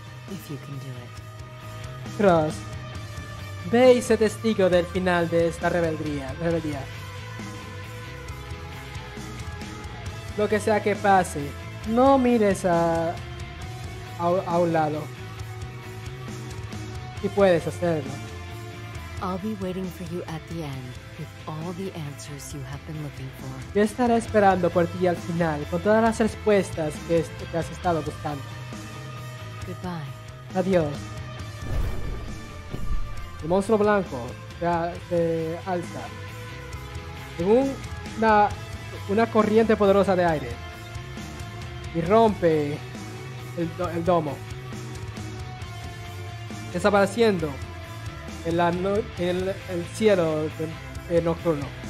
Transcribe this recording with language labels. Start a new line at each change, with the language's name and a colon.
English: If you can do it.
Spanish: Xross, ve y sé testigo del final de esta rebeldía. Lo que sea que pase, no mires a un lado. Y puedes hacerlo.
English: I'll be waiting for you at the end with all the answers you have been looking for.
Spanish: Yo estaré esperando por ti al final con todas las respuestas que has estado buscando.
English: Goodbye.
Spanish: Adiós. El monstruo blanco se alza en una corriente poderosa de aire y rompe el domo, desapareciendo en el cielo nocturno.